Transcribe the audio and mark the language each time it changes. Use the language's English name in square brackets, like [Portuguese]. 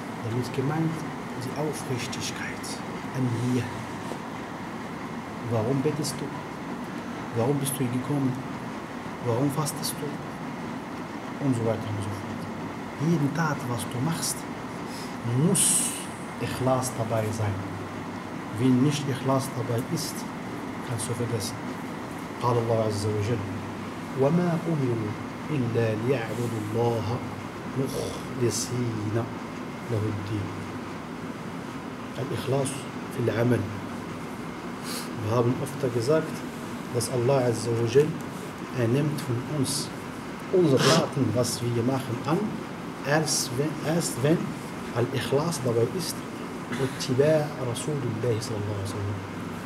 [German] Damit gemeint die Aufrichtigkeit, النية. Warum betest du? Warum bist du hier gekommen? Warum fastest du? Und so weiter und so fort. Jeden Tat, was du machst, muss Ikhlas dabei sein. Wenn nicht Ikhlas dabei ist, kannst du vergessen. [Arabic] قال الله عز وجل وما أمروا إلا ليعبدوا الله مخلصين له الدين. الإخلاص في العمل. [German] Wir haben öfter gesagt, dass Allah Azza wa Jal ernimmt von uns unsere Taten, was wir machen, an, erst wenn Al-Ikhlas dabei ist, Uttiba' Rasulullah sallallahu alaihi wasallam.